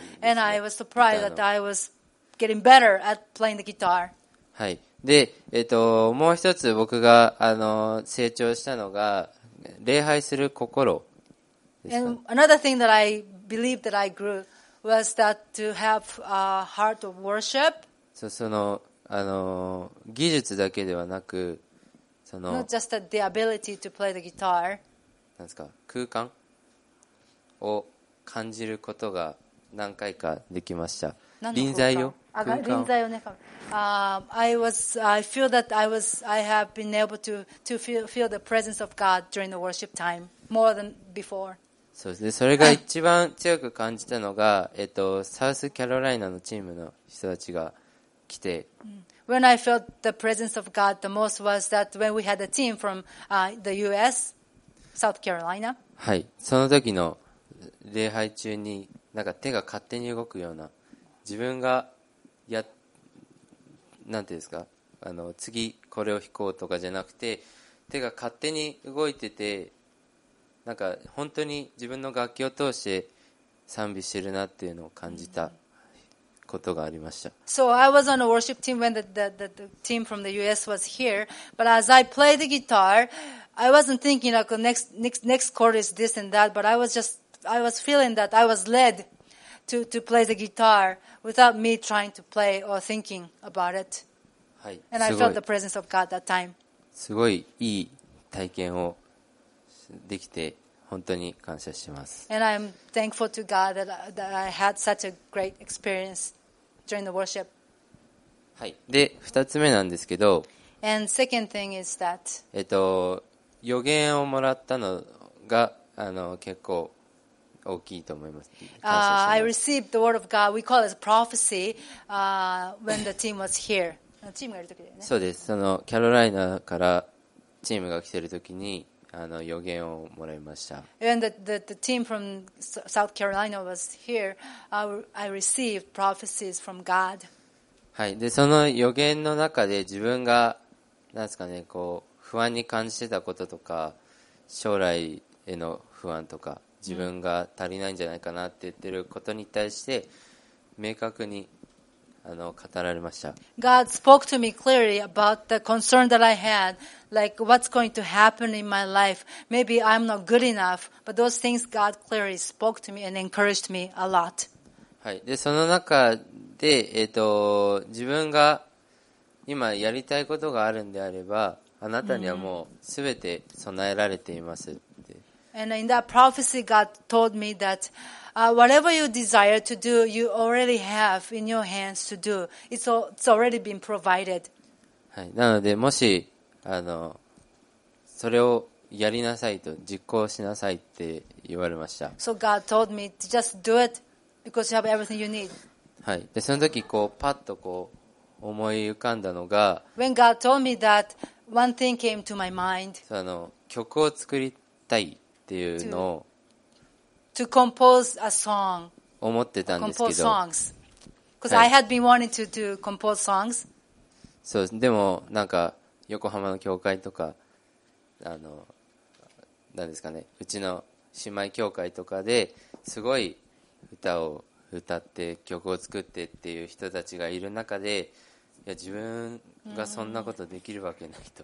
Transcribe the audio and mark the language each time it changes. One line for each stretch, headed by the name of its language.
English: And I was surprised that I was getting better at playing the guitar.
Japanese: はい。で、もう一つ僕が成長したのが礼拝する心ですか。
English: And another thing that I believe that I grew was that to have a heart of worship.
Japanese: そう、技術だけではなく、
English: Not just the ability to play the guitar.
Japanese: なんですか、空間を感じることが何回かできました。臨在を。
English: I feel that I have been able to feel the presence of God during the worship time more than before.
Japanese: そうですね。それが一番強く感じたのが、サウスカロライナのチームの人たちが来て。
English: When I felt the presence of God the most was that when we had a team from the U.S. South Carolina.
Japanese: はい。その時の礼拝中に、なんか手が勝手に動くような、自分がなんていうんですか、次これを弾こうとかじゃなくて、手が勝手に動いてて、なんか本当に自分の楽器を通して賛美してるなっていうのを感じたことがありました。
English: So I was on a worship team when the team from the US was here, but as I played the guitar, I wasn't thinking like next chord is this and that, but I was feeling that I was led to play the guitar without me trying to play or thinking about it.
Japanese: はい。
English: And I felt the presence of God that time.
Japanese: すごいいい体験をできて本当に感謝します。
English: And I'm thankful to God that I had such a great experience during the worship.
Japanese: はい。で、二つ目なんですけど。
English: And second thing is that
Japanese: 予言をもらったのが結構大きいと思います。
English: I received the word of God. We call it prophecy. When the team was here,
Japanese: チームがいるときだよね。そうです。キャロライナからチームが来ているときに予言をもらいました。
English: And the team from South Carolina was here. I received prophecies from God.
Japanese: はい。で、その予言の中で自分がなんですかね、こう不安に感じてたこととか将来への不安とか。自分が足りないんじゃないかなって言ってることに対して明確に語られました。
English: God spoke to me clearly about the concern that I had, like what's going to happen in my life. Maybe I'm not good enough, but those things God clearly spoke to me and encouraged me a lot.
Japanese: はい。で、その中で、自分が今やりたいことがあるんであれば、あなたにはもうすべて備えられています。 Mm-hmm.
English: And in that prophecy, God told me that whatever you desire to do, you already have in your hands to do. It's already been provided.
Japanese: はい。なので、もし、それをやりなさいと、実行しなさいって言われました。
English: So God told me to just do it because you have everything you need.
Japanese: はい。で、その時、こう、パッとこう、思い浮かんだのが、
English: When God told me that, one thing came to my mind.
Japanese: 曲を作りたい。っていうのを
English: to compose a song.
Japanese: 思ってたんですけど、
English: compose songs. Because、はい、I had been wanting to compose songs.
Japanese: そう、でもなんか横浜の教会とか何ですかね、うちの姉妹教会とかですごい歌を歌って曲を作ってっていう人たちがいる中で、いや自分がそんなことできるわけないと。